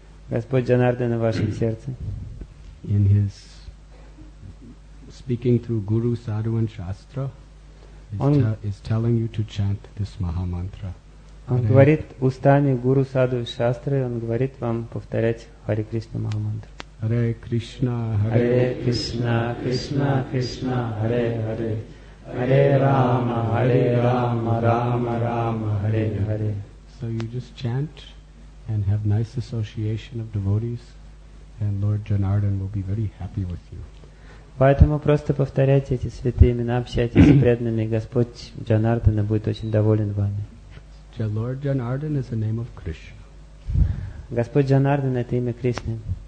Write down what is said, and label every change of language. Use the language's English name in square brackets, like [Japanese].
[Russian] Господь Джанардана в вашем сердце. [English] In his speaking through Guru, Sadhu and Shastra, is telling you to chant this Maha Mantra. [Russian] Он говорит устами Гуру, Саду и Шастры, он говорит вам повторять Хари Кришна Маха Мантру. [Sanskrit] Hare Krishna, Hare Krishna, Krishna Krishna, Hare Hare, Hare Rama, Hare Rama, Rama Rama, Hare Hare. [English] So you just chant and have nice association of devotees, and Lord Janardana will be very happy with you. [Russian] Поэтому просто повторяйте эти святые имена, общайтесь с преданными, Господь Джанардана будет очень доволен вами. [English] Lord Janardana is the name of Krishna. [Russian] Господь Джанардана — это имя Кришны.